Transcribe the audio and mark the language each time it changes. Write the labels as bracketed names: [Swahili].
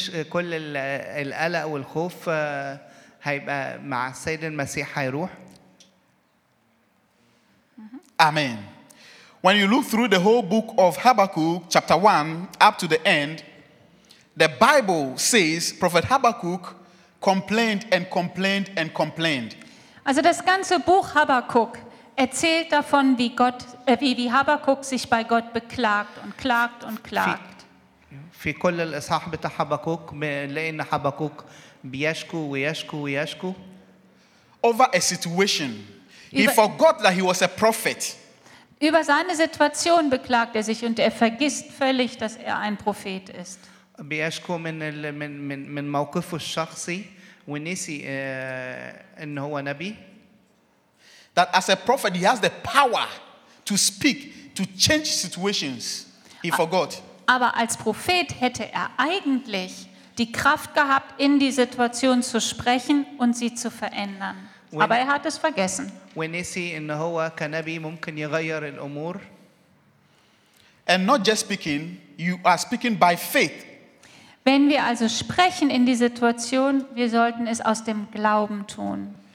[Arabic] كل القلق والخوف هيبقى مع السيد المسيح هيروح. [English] Amen. When you look through the whole book of Habakkuk, chapter 1, up to the end, the Bible says Prophet Habakkuk complained and complained and complained. [German] Also das ganze Buch Habakkuk erzählt davon, wie Habakkuk sich bei Gott beklagt und klagt und klagt. [Arabic] في كل الإصحاح بتاع حبكوك لأن حبكوك بيشكو ويشكو ويشكو. [English] Over a situation. He forgot that he was a prophet. [German] Über seine Situation beklagt er sich und er vergisst völlig, dass er ein Prophet ist. [Arabic] بيشكو من موقفه الشخصي ونسي ان هو نبي. [English] That as a prophet he has the power to speak, to change situations. He forgot. [German] Aber als Prophet hätte er eigentlich die Kraft gehabt, in die Situation zu sprechen und sie zu verändern. Aber er hat es vergessen. [Arabic] ونسي ان هو كنبي ممكن يغير الامور. [English] And not just speaking, you are speaking by faith. [German] Wenn wir also sprechen in die Situation, wir sollten es aus dem Glauben tun.